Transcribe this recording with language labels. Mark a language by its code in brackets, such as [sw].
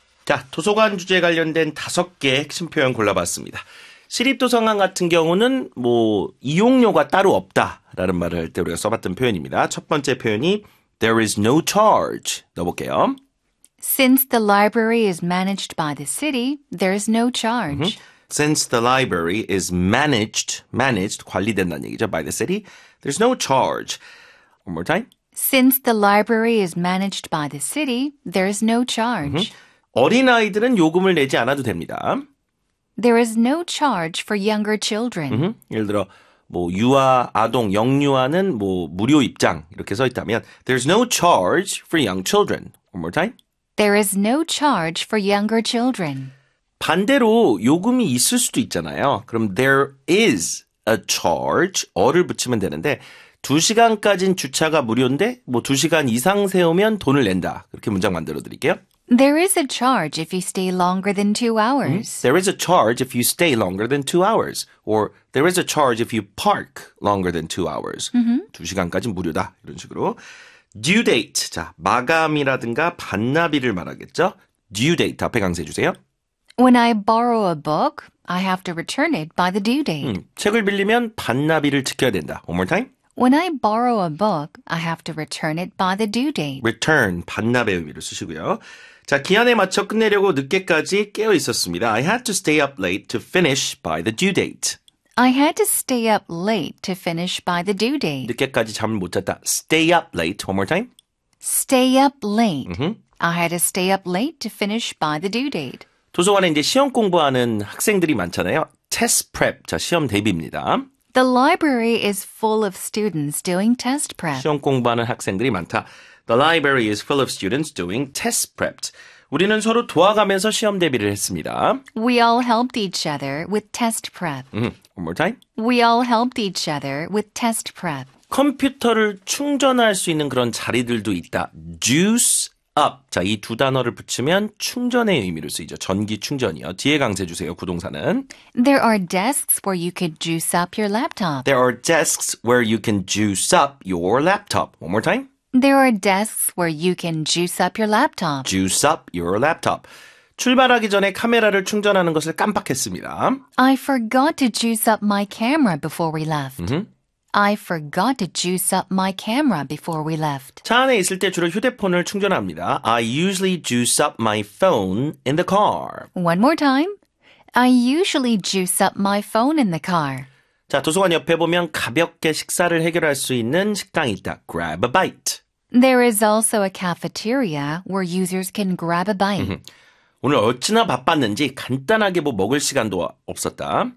[ko] Ja, 도서관 주제 관련된 다섯 개 핵심 표현 골라봤습니다. 시립도서관 같은 경우는 뭐 이용료가 따로 없다라는 말을 할 때 우리가 써봤던 표현입니다. 첫 번째 표현이 [en] there is no charge. [ko] 넣어볼게요. [en] Since the library is managed by the city, there is no charge. Mm-hmm. Since the library is managed, [ko] 관리된다는 얘기죠, [en] by the city, there's no charge. One more time. Since the library is managed by the city, there is no charge. Mm-hmm. [ko] 어린아이들은 요금을 내지 않아도 됩니다. [en] There is no charge for younger children. [ko] Mm-hmm. 예를 들어, 뭐 유아, 아동, 영유아는 뭐 무료 입장 이렇게 써 있다면 [en] there's no charge for young children. One more time. There is no charge for younger children. [ko] 반대로 요금이 있을 수도 있잖아요. 그럼 [en] there is a charge, [ko] 어를 붙이면 되는데 2시간까지는 주차가 무료인데 뭐 2시간 이상 세우면 돈을 낸다. 그렇게 문장 만들어 드릴게요. [en] There is a charge if you stay longer than 2 hours. There is a charge if you stay longer than 2 hours. Or there is a charge if you park longer than 2 hours. Mm-hmm. [ko] 2시간까지는 무료다. 이런 식으로. Due date. 자, 마감이라든가 반납일을 말하겠죠. Due date. 앞에 강세해 주세요. [en] When I borrow a book, I have to return it by the due date. [ko] 책을 빌리면 반납일을 지켜야 된다. [en] One more time. When I borrow a book, I have to return it by the due date. Return. [ko] 반납의 의미를 쓰시고요. 자, 기한에 맞춰 끝내려고 늦게까지 깨어 있었습니다. [en] I had to stay up late to finish by the due date. I had to stay up late to finish by the due date. [ko] 늦게까지 잠을 못 잤다. [en] Stay up late. One more time. Stay up late. Mm-hmm. I had to stay up late to finish by the due date. [ko] 도서관에 이제 시험 공부하는 학생들이 많잖아요. Test prep, 자, 시험 대비입니다. [en] The library is full of students doing test prep. [ko] 시험 공부하는 학생들이 많다. [en] The library is full of students doing test prep. [ko] 우리는 서로 도와가면서 시험 대비를 했습니다. [en] We all helped each other with test prep. One more time. We all helped each other with test prep. [ko] 컴퓨터를 충전할 수 있는 그런 자리들도 있다. [en] Juice up. [ko] 자, 이 두 단어를 붙이면 충전의 의미를 쓰이죠. 전기 충전이요. 뒤에 강세 주세요. 구동사는. [en] There are desks where you could juice up your laptop. There are desks where you can juice up your laptop. One more time. There are desks where you can juice up your laptop. Juice up your laptop. [ko] 출발하기 전에 카메라를 충전하는 것을 깜빡했습니다. [en] I forgot to juice up my camera before we left. I forgot to juice up my camera before we left. [ko] 차 안에 있을 때 주로 휴대폰을 충전합니다. [en] I usually juice up my phone in the car. One more time. I usually juice up my phone in the car. [ko] 자, 도서관 옆에 보면 가볍게 식사를 해결할 수 있는 식당이 있다. [en] Grab a bite. There is also a cafeteria where users can grab a bite. [ko] 오늘 어찌나 바빴는지 간단하게 뭐 먹을 시간도 없었다.